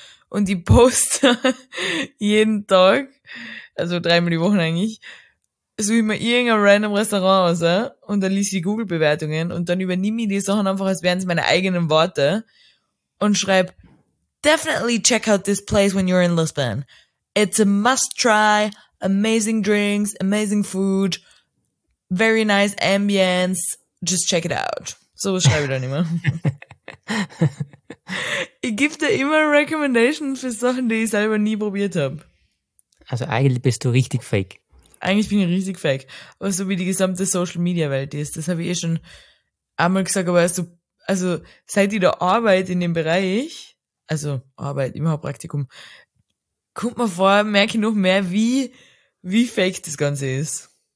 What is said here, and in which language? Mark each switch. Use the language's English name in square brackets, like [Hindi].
[German] Und ich poste jeden Tag, also 3-mal die Woche eigentlich, suche ich mir irgendein random Restaurant aus, und dann lese ich Google-Bewertungen und dann übernehme ich die Sachen einfach, als wären es meine eigenen Worte und schreibe: [English] Definitely check out this place when you're in Lisbon. It's a must try, amazing drinks, amazing food, very nice ambience, just check it out. [German] So was schreibe ich dann immer. Ich gebe dir immer Recommendations für Sachen, die ich selber nie probiert habe. Also eigentlich bist du richtig fake. Eigentlich bin ich richtig fake. Aber so wie die gesamte Social-Media-Welt ist, das habe ich eh schon einmal gesagt, aber also seit ich da arbeite in dem Bereich, also Arbeit, immer Praktikum, kommt mir vor, merke ich noch mehr, wie fake das Ganze ist.